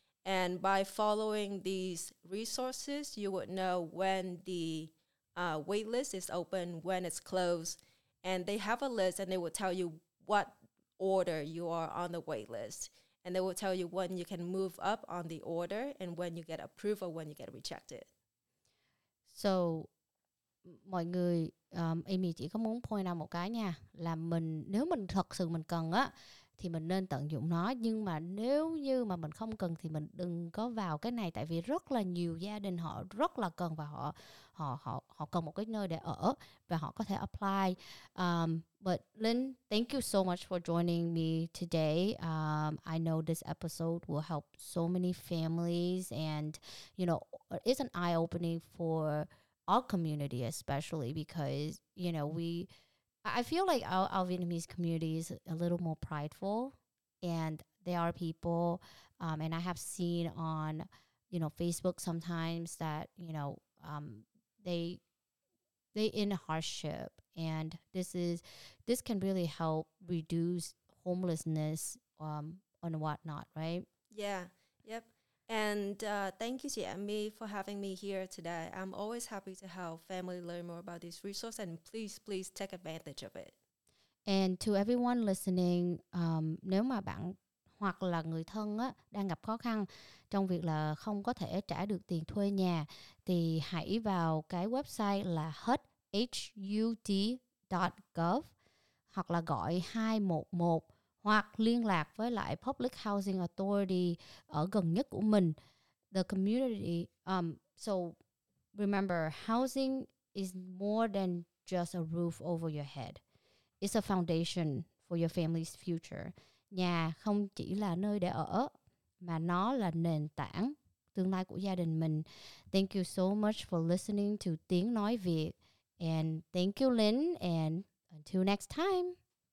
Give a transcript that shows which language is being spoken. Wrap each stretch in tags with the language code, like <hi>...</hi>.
<en>And by following these resources, you would know when the wait list is open, when it's closed. And they have a list and they will tell you what order you are on the wait list. And they will tell you when you can move up on the order and when you get approval, when you get rejected.</en> <vi>So, mọi người, Amy chỉ có muốn</vi> <en>point out</en> <vi>một cái nha. Là mình, nếu mình thật sự mình cần á, thì mình nên tận dụng nó. Nhưng mà nếu như mà mình không cần thì mình đừng có vào cái này. Tại vì rất là nhiều gia đình họ rất là cần và họ cần một cái nơi để ở và họ có thể apply.</vi> <en>But Lynn, thank you so much for joining me today. I know this episode will help so many families and, you know, it's an eye-opening for our community especially because, you know, I feel like our Vietnamese community is a little more prideful and there are people and I have seen on, you know, Facebook sometimes that, you know, they in hardship and this can really help reduce homelessness and whatnot, right? Yeah, yep. And thank you to Amy for having me here today. I'm always happy to help family learn more about this resource and please, please take advantage of it. And to everyone listening,</en> <vi>nếu mà bạn hoặc là người thân á, đang gặp khó khăn trong việc là không có thể trả được tiền thuê nhà thì hãy vào cái website là hud.gov hoặc là gọi 211 hoặc liên lạc với lại Public Housing Authority ở gần nhất của mình.</vi> <en>The community, so remember, housing is more than just a roof over your head. It's a foundation for your family's future.</en> <vi>Nhà không chỉ là nơi để ở, mà nó là nền tảng tương lai của gia đình mình.</vi> <en>Thank you so much for listening to Tiếng Nói Việt. And thank you, Lynn, and until next time.</en>